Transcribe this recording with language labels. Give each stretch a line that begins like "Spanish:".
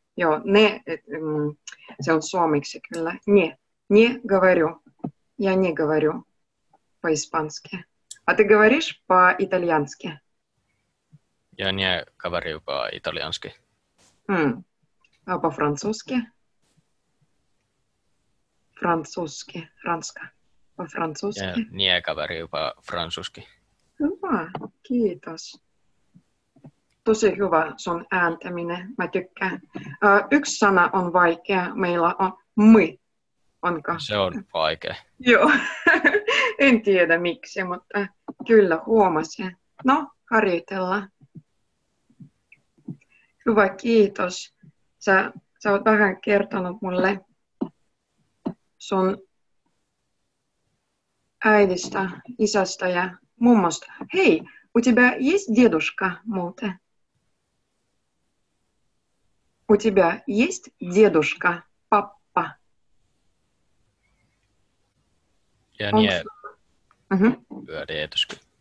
Finnish: Joo, не, se on suomeksi kyllä.
Russian: Не, не говорю. Я не говорю по-испански. А ты говоришь по-итальянски? Я не говорю по-итальянски. А по-французски? Французски, франска. По-французски? Не говорю по-французски.
Finnish: Hyvä, kiitos. Tosi hyvä sun ääntäminen, mä tykkään. Yksi sana on vaikea, meillä on my. Onko? Se on vaikea. Joo, en tiedä miksi, mutta kyllä huomasin. No, harjoitella. Hyvä, kiitos. Sä oot vähän kertonut mulle sun äidistä, isästä ja mummosta.
Russian: Hei, у тебя есть дедушка, muuten? У тебя есть дедушка, pappa? Я не говорю дедушка.